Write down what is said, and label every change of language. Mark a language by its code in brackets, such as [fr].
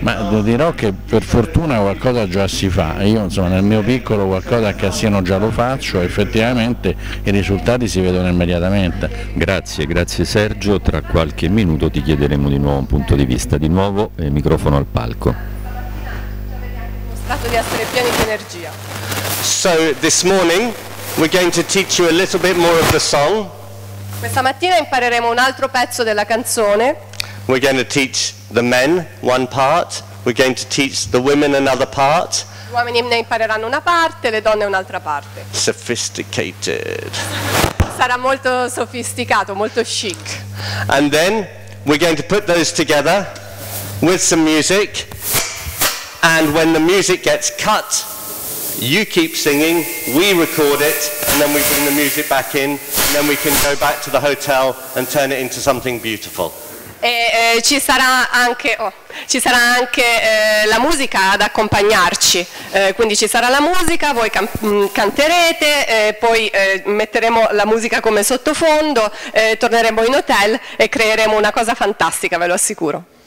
[it] Ma dirò che per fortuna qualcosa già si fa, io insomma nel mio piccolo qualcosa a Cassino già lo faccio, effettivamente i risultati si vedono immediatamente. Grazie Sergio, tra qualche minuto ti chiederemo di nuovo un punto di vista, di nuovo microfono al palco. Stato di essere pieni di energia. [en] So this morning we're going to teach you a little bit more of the song. [it] Questa mattina impareremo un altro pezzo della canzone. [en] We're going to teach the men one part, we're going to teach the women another part. [it] Gli uomini ne impareranno una parte, le donne un'altra parte. [en] Sophisticated. [it] Sarà molto sofisticato, molto chic. [en] And then we're going to put those together with some music. And when the music gets cut, you keep singing, we record it, and then we bring the music back in, and then we can go back to the hotel and turn it into something beautiful. [it] Ci sarà anche la musica ad accompagnarci, quindi ci sarà la musica, voi canterete, poi metteremo la musica come sottofondo, torneremo in hotel e creeremo una cosa fantastica, ve lo assicuro.